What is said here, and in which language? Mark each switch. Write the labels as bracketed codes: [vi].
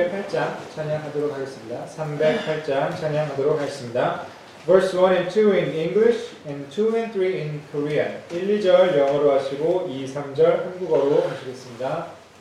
[ko] 308장 찬양하도록 하겠습니다. [en] Verse 1 and 2 in English and 2 and 3 in Korean. [ko] 1, 2절 영어로 하시고 2, 3절 한국어로 하시겠습니다.